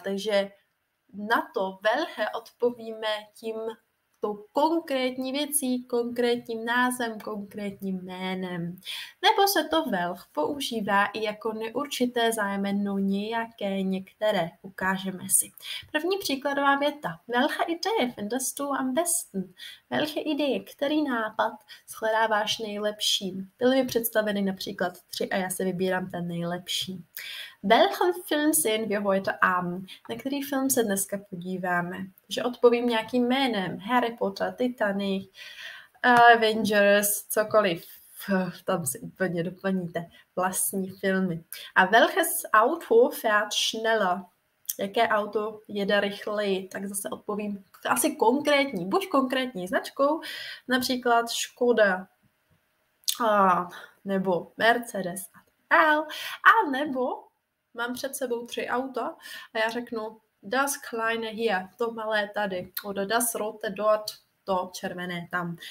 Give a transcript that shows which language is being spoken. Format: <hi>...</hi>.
<cs>Takže na to velké odpovíme tím to konkrétní věcí, konkrétním názvem, konkrétním jménem. Nebo se to welch používá i jako neurčité zájmeno nějaké, některé. Ukážeme si. První příkladová věta.</cs> <de>Welche Idee findest du am besten? Welche Idee,</de> <cs>který nápad shledáváš nejlepším? Byly mi představeny například tři a já se vybírám ten nejlepší.</cs> <de>Welchen Film sehen wir heute Abend?</de> <cs>Na který film se dneska podíváme? Že odpovím nějakým jménem. Harry Potter, Titanic, Avengers, cokoliv. Tam si úplně doplníte vlastní filmy.</cs> <de>A welches Auto fährt schneller?</de> <cs>Jaké auto jede rychleji? Tak zase odpovím asi konkrétní. Buď konkrétní značkou, například Škoda, nebo Mercedes a L. A nebo mám před sebou tři auta a já řeknu</cs> <de>das kleine hier,</de> <cs>to malé tady,</cs> <de>oder das rote dort,</de> <cs>to červené tam.</cs>